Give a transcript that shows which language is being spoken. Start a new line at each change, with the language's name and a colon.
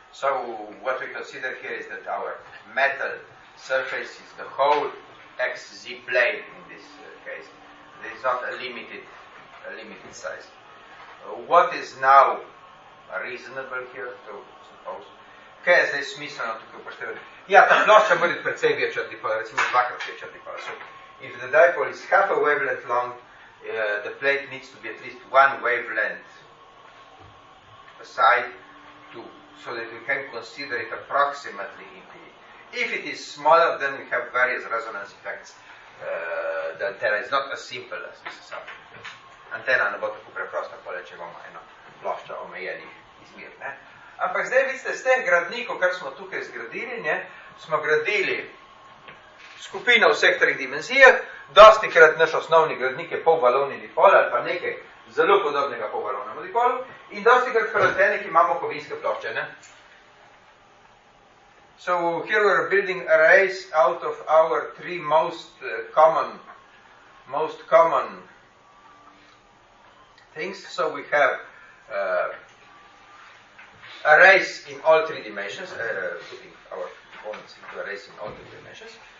English: So, what we consider here is that our metal surface is the whole XZ plane in this case. There is not a limited size. What is now reasonable here to suppose?
Slovenian: Kaj je zdaj smiselno tukaj upoštevati? Ja, ta plošča bude precej večja dipola, recimo dvakrat večja dipola.
English: So, if the dipole is half a wavelength long, the plate needs to be at least one wavelength aside to, so that we can consider it approximately infinite. If it is smaller, then we have various resonance effects. The antenna is not as simple as this example.
Slovenian: Antena ne bo tako preprosta, pole, če bomo eno ploščo omejenih izmir. Ne? Ampak zdaj vidite, s tem gradnikom, kar smo tukaj zgradili, ne? Smo gradili skupino vseh treh dimenzijah, dosti krat naš osnovni gradnik je polvalovni dipol ali pa nekaj zelo podobnega polvalovnemu dipolu in dosti krat pri antenih imamo kovinske plošče. Ne?
English: So here we are building arrays out of our three most common things, so we have arrays in all three dimensions, putting our components into arrays in all three dimensions.